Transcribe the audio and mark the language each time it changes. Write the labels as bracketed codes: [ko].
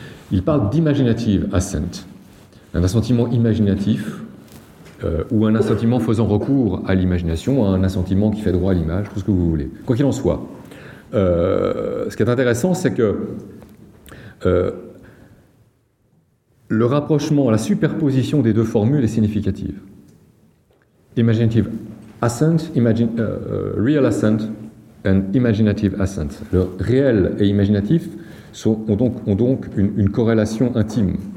[fr] Il parle d' [en] imaginative assent, [fr] un assentiment imaginatif, ou un assentiment faisant recours à l'imagination, ou un assentiment qui fait droit à l'image, tout ce que vous voulez. Quoi qu'il en soit, ce qui est intéressant, c'est que le rapprochement, la superposition des deux formules est significative. [en] Imaginative assent, real assent, and imaginative assent. [fr] Le réel et imaginatif ont donc une corrélation intime.